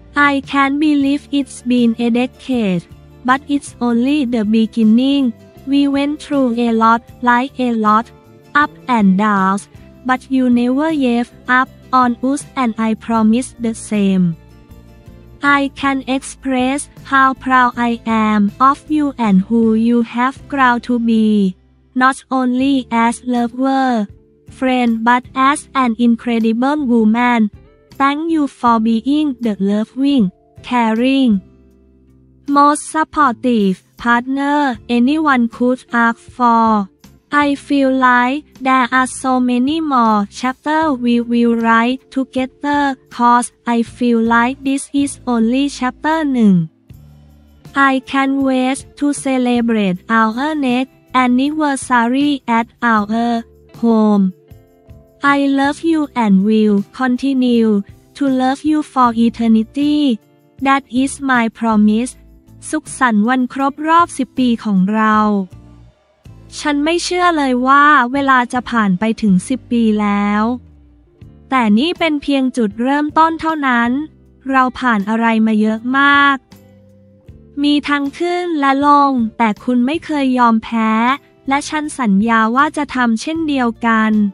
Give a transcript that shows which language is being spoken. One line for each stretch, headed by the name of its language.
English: I can't believe it's been a decade but it's only the beginning we went through a lot like a lot up and downs but you never gave up on us and I promise the sameI can express how proud I am of you and who you have grown to be, not only as lover, friend but as an incredible woman. Thank you for being the loving, caring, most supportive partner anyone could ask for. I feel like there are so many more chapters we will write together cause I feel like this is only chapter 1. I can't wait to celebrate our next anniversary at our home. I love you and will continue to love you for eternity. That is my promise.
Thai: สุขสันต์วันครบรอบ10ปีของเราฉันไม่เชื่อเลยว่าเวลาจะผ่านไปถึง10ปีแล้วแต่นี่เป็นเพียงจุดเริ่มต้นเท่านั้นเราผ่านอะไรมาเยอะมากมีทั้งขึ้นและลงแต่คุณไม่เคยยอมแพ้และฉันสัญญาว่าจะทำเช่นเดียวกัน